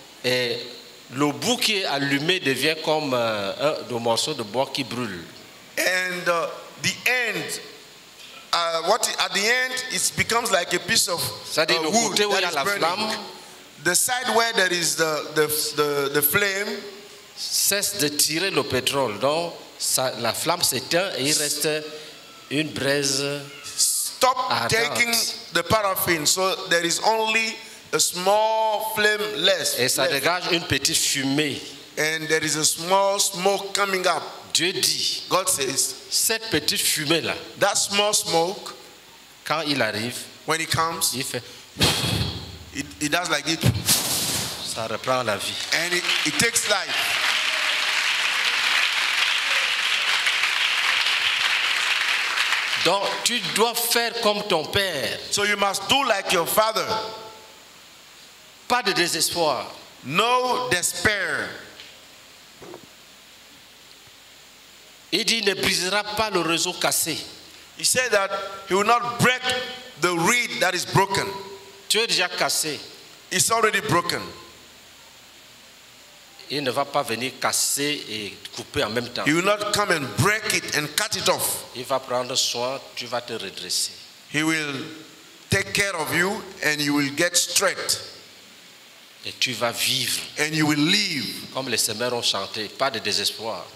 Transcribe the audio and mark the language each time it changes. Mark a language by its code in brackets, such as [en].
[fr] Et le bout qui est allumé devient comme un morceau de bois qui brûle. [en] And the end, what at the end, it becomes like a piece of wood [fr] côté [en] that is [fr] la [en] burning. [fr] Flamme, [en] the side where there is the flame [fr] cesse de tirer le pétrole. Donc ça, la flamme s'éteint et il reste une braise. [en] Stop taking the paraffin, so there is only a small flame left. [fr] Et ça dégage une petite fumée. [en] And there is a small smoke coming up. [fr] Dieu dit, [en] God says, [fr] cette petite fumée là, [en] that small smoke, [fr] quand il arrive, [en] when it comes, [fr] il fait, [en] it does like it. [fr] Ça reprend la vie. [en] And it takes life. [fr] Donc tu dois faire comme ton père. [en] So you must do like your father. [fr] Pas de désespoir. [en] No despair. [fr] Il dit ne brisera pas le réseau cassé. [en] He said that he will not break the reed that is broken. [fr] Tu es déjà cassé. [en] It's already broken. [fr] Il ne va pas venir casser et couper en même temps. [en] He will not come and break it and cut it off. [fr] Il va prendre soin, tu vas te redresser. [en] He will take care of you and you will get straight. [fr] Et tu vas vivre. [en] And you will live. [fr] Comme les semeurs ont chanté, pas de désespoir.